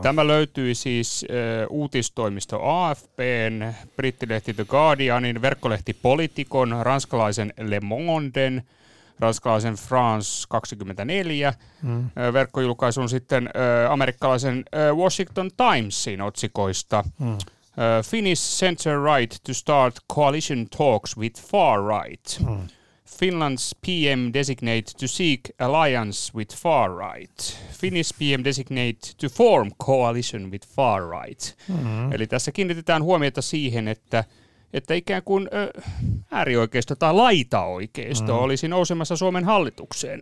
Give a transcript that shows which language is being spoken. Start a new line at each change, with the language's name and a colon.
Finnish: Tämä löytyi siis uutistoimisto AFP:n, brittilehti The Guardianin, verkkolehti Politikon, ranskalaisen Le Monden, ranskalaisen France 24, verkkojulkaisun sitten amerikkalaisen Washington Timesin otsikoista.
English: Finnish center right to start coalition talks with far right. Finland's PM designate to seek alliance with far right. Finnish PM designate to form coalition with far right.
Finnish: Eli tässä kiinnitetään huomiota siihen, että ikään kuin äärioikeisto tai laitaoikeisto olisi nousemassa Suomen hallitukseen.